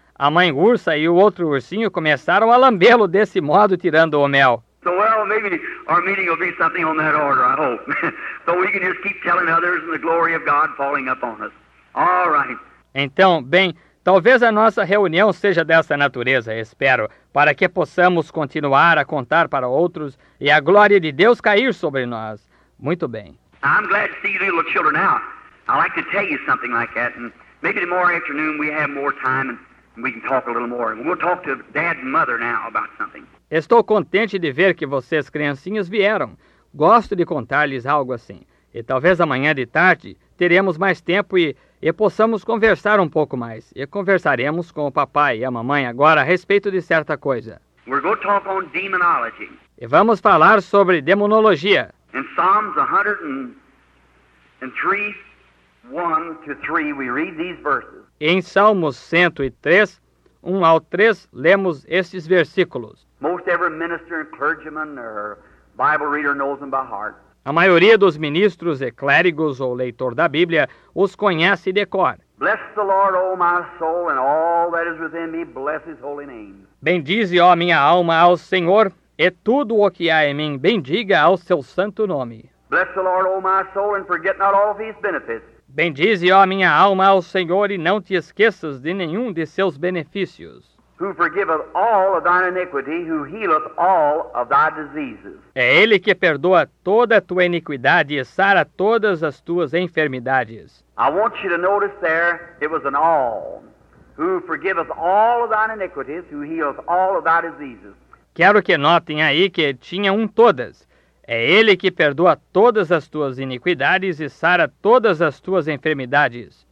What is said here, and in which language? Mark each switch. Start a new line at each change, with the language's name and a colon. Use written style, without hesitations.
Portuguese: A mãe ursa e o outro ursinho começaram a lambê-lo desse modo, tirando o mel.
English: So, well, maybe our meeting will be something on that order, I hope. So we can just keep telling others and the glory of God falling upon us. All right.
Portuguese: Então, bem, talvez a nossa reunião seja dessa natureza, espero. para que possamos continuar a contar para outros e a glória de Deus cair sobre nós. Muito bem.
English: I'm glad to see you little children out. I'd like to tell you something like that, and maybe tomorrow afternoon we have more time and we can talk a little more. We'll talk to Dad and Mother now about something.
Portuguese: Estou contente de ver que vocês, criancinhas, vieram. Gosto de contar-lhes algo assim. E talvez amanhã de tarde teremos mais tempo e possamos conversar um pouco mais. E conversaremos com o papai e a mamãe agora a respeito de certa coisa.
English: We're going to talk on demonology.
Portuguese: E vamos falar sobre demonologia.
English: In Psalms 103:1-3, we read these verses.
Portuguese: Em Salmos 103, 1 ao 3, lemos estes versículos.
English: Most every minister and clergyman or Bible reader knows them by heart.
Portuguese: A maioria dos ministros e clérigos ou leitor da Bíblia os conhece de cor.
English: Bless the Lord, O my soul, and all that is within me, bless his holy name.
Portuguese: Bendize, ó minha alma, ao Senhor, e tudo o que há em mim, bendiga ao seu santo nome.
English: Bless the Lord, O my soul, and forget not all of his benefits.
Portuguese: Bendize, ó minha alma, ao Senhor, e não te esqueças de nenhum de seus benefícios.
English: Who forgiveth all of thine iniquity, who healeth all of thy diseases.
Portuguese: É ele que perdoa toda a tua iniquidade e sara todas as tuas enfermidades.
English: I want you to notice there, it was an all. Who forgiveth all of thine iniquities, who healeth all of thy diseases.
Portuguese: Quero que notem aí que tinha um todas. É ele que perdoa todas as tuas iniquidades e sara todas as tuas enfermidades.